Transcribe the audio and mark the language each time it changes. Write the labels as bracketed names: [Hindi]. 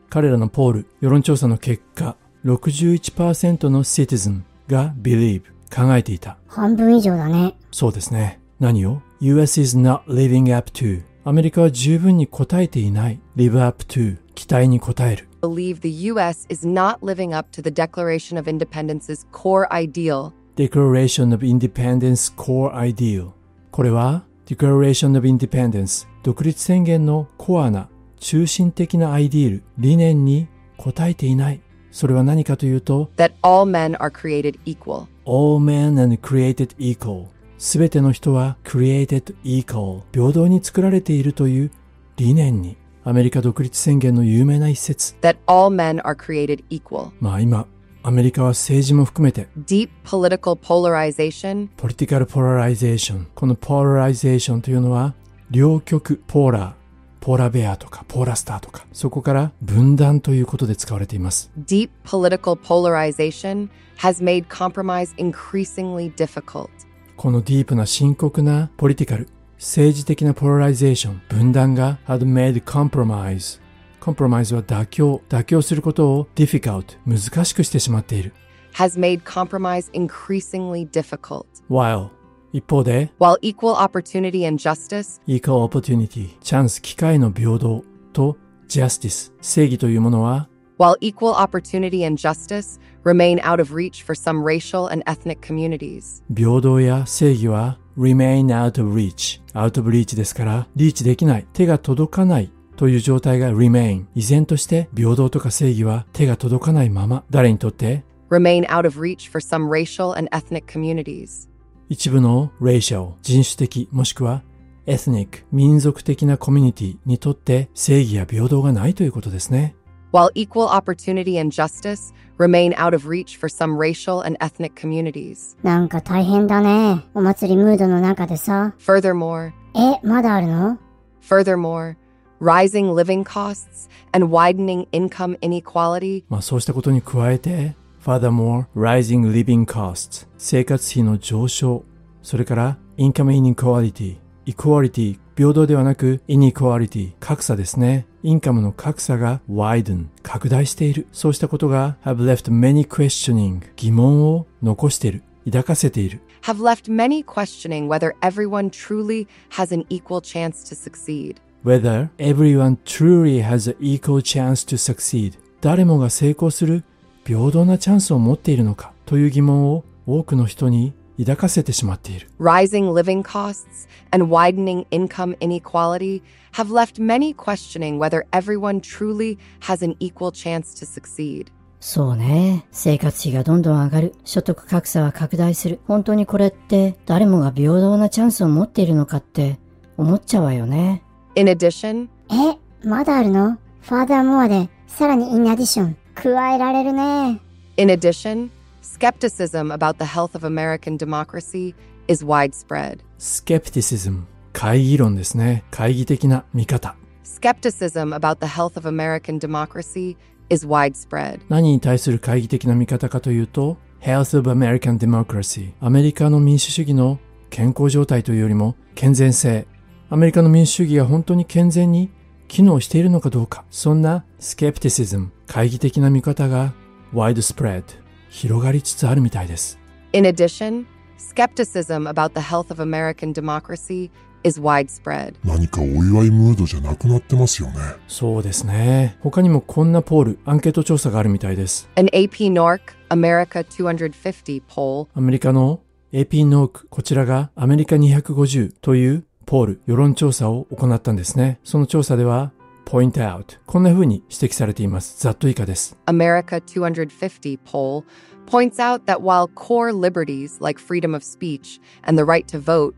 [Japanese] 彼らのポール、世論調査の結果、61% の citizen が believe、考えていた。半分以上だね。そうですね。何を [English] ?US is not living up to. [Japanese] アメリカは十分に応えていない。 [English] live up to. [Japanese] 期待に応える。 [English] believe the US is not living up to the Declaration of Independence's core ideal. Declaration of Independence's core ideal. [Japanese] これは、Declaration of Independence 独立宣言のコアな中心的なアイディール、理念に応えていない。それは何かというと、 [English] That all men are created equal. All men and created equal. [Japanese] 全ての人は created equal. 平等に作られているという理念に、アメリカ独立宣言の有名な一節。 [English] That all men are created equal. [Japanese] まあ今、アメリカは政治も含めて、 [English] Deep political polarization. Political polarization. [Japanese] この polarization というのは、両極、ポーラー。ポーラベアとかポーラスターとかそこから分断ということで使われています。 [English] Deep political polarization has made compromise increasingly difficult. [Japanese] このディープな深刻なポリティカル、政治的なポラライゼーション、分断が [English] had made compromise. [Japanese] Compromise は妥協することを difficult、難しくしてしまっている。 [English] Has made compromise increasingly difficult. [Japanese] While一方で、 [English] While equal opportunity and justice, [Japanese] equal opportunity, チャンス、機会の平等と justice, 正義というものは、 [English] While equal opportunity and justice remain out of reach for some racial and ethnic communities, [Japanese] 平等や正義は [English] remain out of reach, out of reach [Japanese] ですから、リーチできない、手が届かないという状態が remain, 依然として平等とか正義は手が届かないまま、誰にとって、 [English] remain out of reach for some racial and ethnic communities. [Japanese] 一部の racial 人種的もしくは ethnic 民族的なコミュニティにとって正義や平等がないということですね。 [English] While equal opportunity and justice remain out of reach for some racial and ethnic communities. [Japanese] なんか大変だね。お祭りムードの中でさ。 [English] Furthermore. [Japanese] え、まだあるの？ [English] Furthermore. Rising living costs and widening income inequality. [Japanese] まあそうしたことに加えて、Furthermore, [English] rising living costs, [Japanese] 生活費の上昇、それから income inequality, equality, 平等ではなく inequality, 格差ですね。 income の格差が widen, 拡大している。そうしたことが [English] have left many questioning, [Japanese] 疑問を残している、抱かせている。 [English] have left many questioning whether everyone truly has an equal chance to succeed. whether everyone truly has an equal chance to succeed. [Japanese] 誰もが成功する平等なチャンスを持っているのかという疑問を多くの人に抱かせてしまっている。 [English] Rising living costs and widening income inequality have left many questioning whether everyone truly has an equal chance to succeed. [Japanese] そうね。生活費がどんどん上がる。所得格差は拡大する。本当にこれって誰もが平等なチャンスを持っているのかって思っちゃうわよね。 [English] In addition, [Japanese] まだあるの? Furthermore で、さらに in addition、加えられるね。 [English] In addition, skepticism about the health of American democracy is widespread. [Japanese] Skepticism、懐疑論ですね。懐疑的な見方。 [English] Skepticism about the health of American democracy is widespread. [Japanese] 何に対する懐疑的な見方かというと、 [English] health of American democracy、 [Japanese] アメリカの民主主義の健康状態というよりも健全性。アメリカの民主主義が本当に健全に機能しているのかどうか、そんなスケプティシズム、懐疑的な見方が widespread、広がりつつあるみたいです。 [English] In addition, skepticism about the health of American democracy is widespread. [Japanese] 何かお祝いムードじゃなくなってますよね。そうですね。他にもこんなポール、アンケート調査があるみたいです。 [English] An AP NORC America 250 poll. [Japanese] アメリカの AP NORC、こちらがアメリカ250というポール、世論調査を行ったんですね。その調査では、point out、こんな風に指摘されています。ざっと以下です。 [English] America 250 poll points out that while core liberties like freedom of speech and the right to vote、